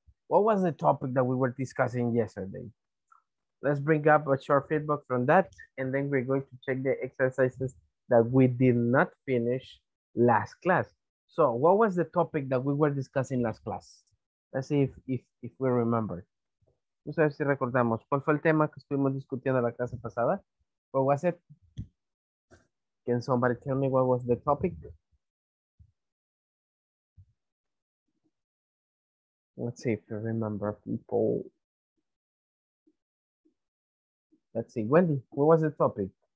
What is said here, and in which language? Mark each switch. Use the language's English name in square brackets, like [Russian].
[English] What was the topic that we were discussing yesterday? Let's bring up a short feedback from that, and then we're going to check the exercises that we did not finish last class. So what was the topic that we were discussing last class? Let's see if we remember. [Spanish] No sé si recordamos. ¿Cuál fue el tema que estuvimos discutiendo la clase pasada? [English] What was it? Can somebody tell me what was the topic? Let's see if you remember, people. Let's see, Wendy, what was the topic?